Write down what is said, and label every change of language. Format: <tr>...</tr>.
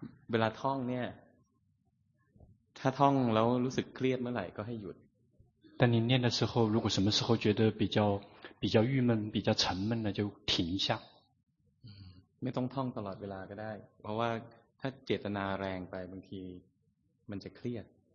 <th>เวลาท่องเนี่ยถ้าท่องแล้วรู้สึกเครียดเมื่อไหร่ก็ให้หยุด</th> <zh>但你念的时候如果什么时候觉得比较郁闷比较沉闷了就停一下</zh> <th>ไม่ต้องท่องตลอดเวลาก็ได้เพราะว่าถ้าเจตนาแรงไปบางทีมันจะเครียด</th>